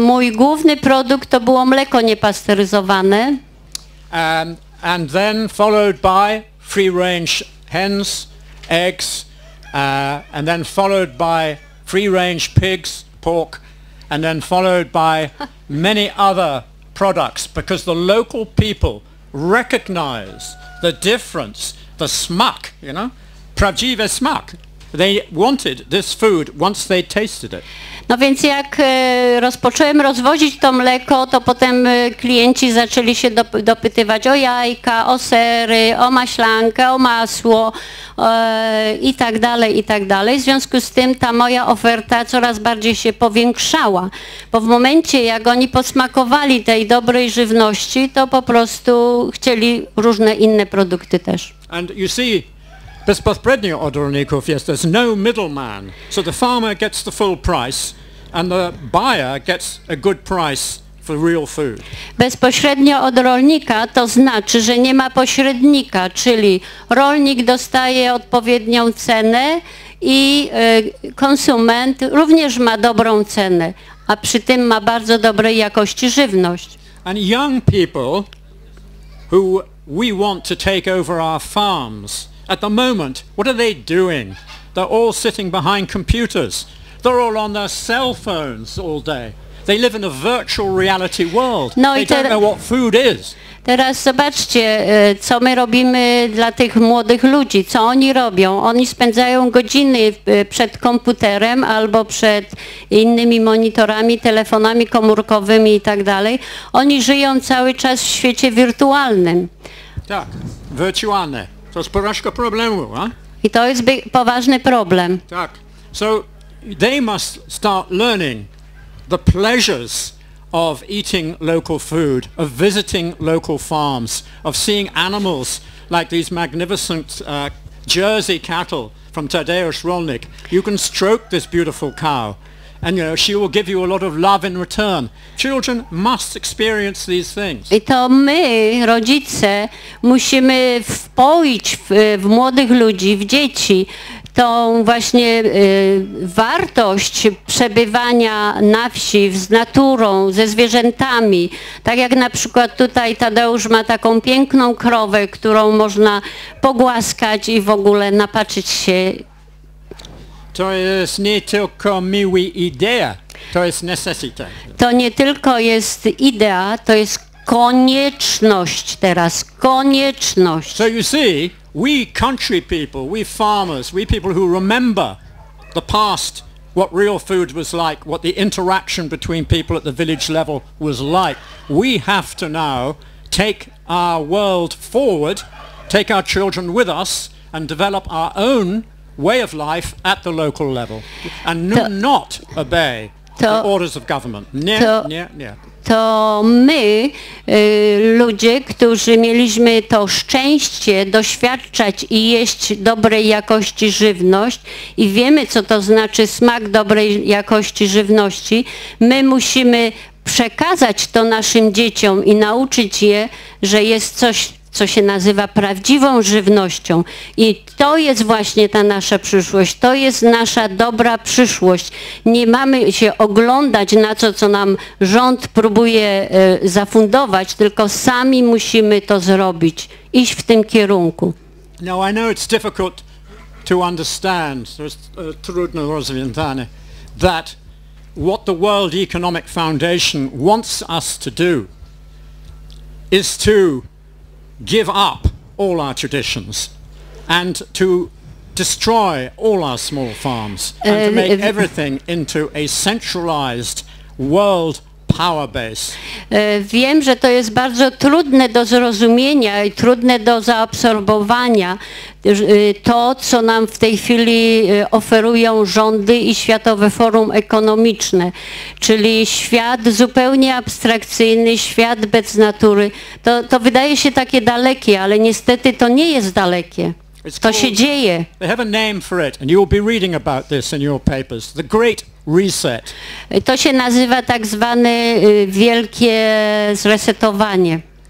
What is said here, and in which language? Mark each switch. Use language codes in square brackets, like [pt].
[pl] Mój główny produkt to było mleko niepasteryzowane. [en] And then followed by free range hens, eggs, and then followed by free range pigs, pork, and then followed by many other products, because the local people recognize the difference, the smak, you know, [pl] prawdziwe smak. [en] They wanted this food once they tasted it. [pl] No więc jak rozpocząłem rozwozić to mleko, to potem klienci zaczęli się dopytywać o jajka, o sery, o maślankę, o masło i tak dalej, i tak dalej. W związku z tym ta moja oferta coraz bardziej się powiększała, bo w momencie jak oni posmakowali tej dobrej żywności, to po prostu chcieli różne inne produkty też. [en] And you see, [pl] bezpośrednio od rolników, [en] yes, there's no middleman. So the farmer gets the full price and the buyer gets a good price for real food. [pl] Bezpośrednio od rolnika to znaczy, że nie ma pośrednika, czyli rolnik dostaje odpowiednią cenę i konsument również ma dobrą cenę, a przy tym ma bardzo dobrej jakości żywność. [en] And young people who we want to take over our farms, at the moment, what are they doing? They're all sitting behind computers. They're all on their cell phones all day. They live in a virtual reality world. No they don't know what food is. [pl] Teraz zobaczcie, co my robimy dla tych młodych ludzi, co oni robią. Oni spędzają godziny przed komputerem albo przed innymi monitorami, telefonami komórkowymi i tak dalej. Oni żyją cały czas w świecie wirtualnym. Tak, wirtualne. To jest porażka problemu, a? I to jest poważny problem. Tak. [en] So they must start learning the pleasures of eating local food, of visiting local farms, of seeing animals like these magnificent Jersey cattle from Tadeusz Rolnik. You can stroke this beautiful cow and you know she will give you a lot of love in return. Children must experience these things. [pl] I to my, rodzice, musimy wpoić w młodych ludzi, w dzieci, tą właśnie wartość przebywania na wsi z naturą, ze zwierzętami. Tak jak na przykład tutaj Tadeusz ma taką piękną krowę, którą można pogłaskać i w ogóle napatrzyć się. To jest nie tylko miła idea, to jest necessity. To nie tylko jest idea, to jest konieczność teraz, konieczność. [en] So you see, we country people, we farmers, we people who remember the past, what real food was like, what the interaction between people at the village level was like, we have to now take our world forward, take our children with us and develop our own way of life at the local level and not obey the orders of government. [pl] To my, ludzie, którzy mieliśmy to szczęście doświadczać i jeść dobrej jakości żywność i wiemy, co to znaczy smak dobrej jakości żywności, my musimy przekazać to naszym dzieciom i nauczyć je, że jest coś, co się nazywa prawdziwą żywnością. I to jest właśnie ta nasza przyszłość. To jest nasza dobra przyszłość. Nie mamy się oglądać na to, co nam rząd próbuje zafundować, tylko sami musimy to zrobić, iść w tym kierunku. [en] Now I know it's difficult to understand, [pl] to jest trudno rozwiązane, [en] that what the World Economic Foundation wants us to do is to give up all our traditions and to destroy all our small farms and to make everything into a centralized world power base. [pl] Wiem, że to jest bardzo trudne do zrozumienia i trudne do zaabsorbowania to, co nam w tej chwili oferują rządy i Światowe Forum Ekonomiczne, czyli świat zupełnie abstrakcyjny, świat bez natury. To wydaje się takie dalekie, ale niestety to nie jest dalekie. To się dzieje. [en] They have a name for it and you will be reading about this in your papers. The Great Reset. [pl] To się nazywa tak zwane wielkie zresetowanie.